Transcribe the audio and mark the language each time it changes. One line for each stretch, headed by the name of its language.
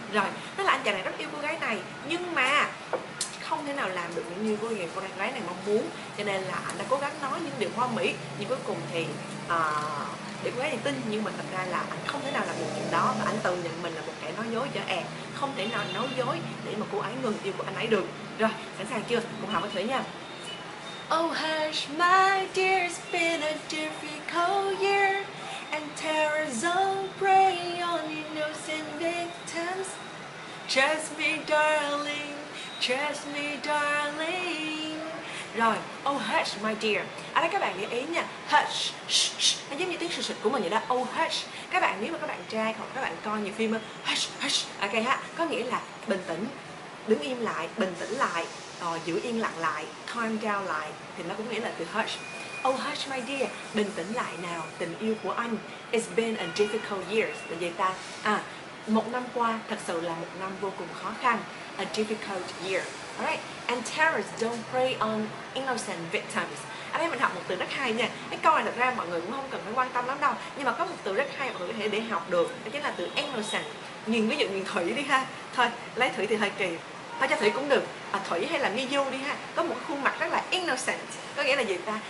Vietnamese: Rồi, tức là anh chàng này rất yêu cô gái này, nhưng mà không thể nào làm được những như cái người con gái này mong muốn, cho nên là anh đã cố gắng nói những điều hoa mỹ, nhưng cuối cùng thì để cô gái này tin, nhưng mà thật ra là anh không thể nào làm được chuyện đó, và anh tự nhận mình là một kẻ nói dối dở ẹt, không thể nào nói dối để mà cô ấy ngừng yêu của anh ấy được. Rồi, sẵn sàng chưa? Cùng học với Thủy nha.
English: Oh hush, my dear, it's been a difficult year, and terrors all prey on innocent victims. Trust me, darling. Trust me, darling.
Vietnamese: Rồi,
English: oh hush, my dear.
Vietnamese: Ở đây các bạn để ý nha.
English: Hush, shh, shh.
Vietnamese: Nó giống như tiếng sụt sụt của mình vậy đó.
English: Oh hush.
Vietnamese: Các bạn nếu mà các bạn trai hoặc các bạn coi nhiều phim,
English: hush, hush.
Vietnamese: Ok ha. Có nghĩa là bình tĩnh, đứng im lại, bình tĩnh lại, giữ yên lặng lại,
English: calm down
Vietnamese: lại. Thì nó cũng nghĩa là từ hush.
English: Oh hush, my dear.
Vietnamese: Bình tĩnh lại nào, tình yêu của anh.
English: It's been a difficult year.
Vietnamese: Là vậy ta. À, một năm qua thật sự là một năm vô cùng khó khăn.
English: A difficult year. Alright. And terrorists don't prey on innocent victims.
Vietnamese: Ở đây mình học một từ rất hay nha. Cái câu này thật ra mọi người cũng không cần phải quan tâm lắm đâu. Nhưng mà có một từ rất hay mọi người có thể để học được. Đó chính là từ innocent. Nhìn ví dụ nhìn Thủy đi ha. Thôi, lấy Thủy thì hơi kỳ. Thôi cho Thủy cũng được. À, Thủy hay là Nghi Du đi ha. Có một khuôn mặt rất là innocent. Có nghĩa là gì ta?